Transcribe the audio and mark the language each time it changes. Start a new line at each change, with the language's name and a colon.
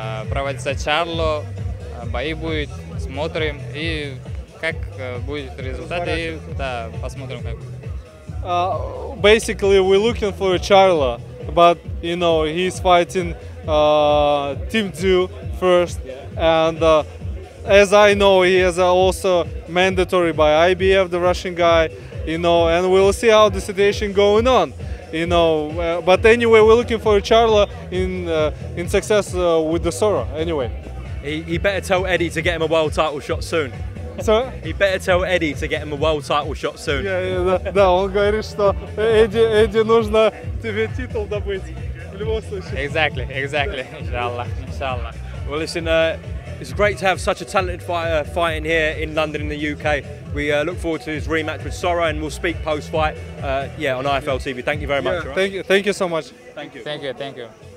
Russian: Проводится Чарло, бои будет, смотрим, и как будет результат, и да, посмотрим, как будет.
English: Basically, we're looking for Charlo, but, you know, he's fighting Team 2 first, and as I know, he is also mandatory by IBF, the Russian guy, you know, and we'll see how the situation going on. You know, but anyway, we're looking for Charlo in success with the Soro. Anyway, he better tell Eddie to get him a world title shot soon. Sir? He better tell Eddie to get him a world title shot soon.
Russian: Yeah, да, он говорит, что Эдди нужно тебе титул добыть в любом случае.
English: Exactly. Inshallah. Well, listen, It's great to have such a talented fighter fighting here in London, in the UK. We look forward to his rematch with Soro, and we'll speak post-fight on IFL TV. Thank you very much. Yeah, thank you. Thank you so much. Thank you.